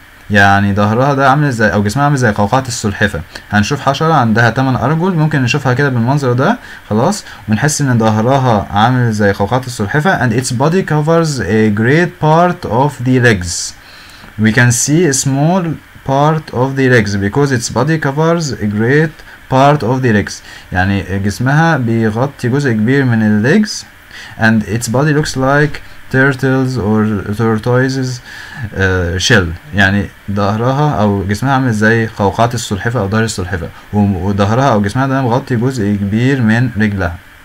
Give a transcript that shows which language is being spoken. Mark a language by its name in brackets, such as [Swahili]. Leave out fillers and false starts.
[Arabic] يعني ظهرها ده عامل ازاي او جسمها عامل زي قوقعة السلحفة. هنشوف حشرة عندها 8 ارجل، ممكن نشوفها كده بالمنظر ده، خلاص ونحس ان ظهرها عامل زي قوقعة السلحفة. [English] And its body covers a great part of the legs. We can see a small part of the legs because its body covers a great part of the legs. [Arabic] يعني جسمها بيغطي جزء كبير من ال legs. [English] And its body looks like turtles or tortoises shell. [Arabic] يعني ظهرها او جسمها عامل زي قوقعة السلحفة او ظهر السلحفة، وظهرها او جسمها ده مغطي جزء كبير من رجلها.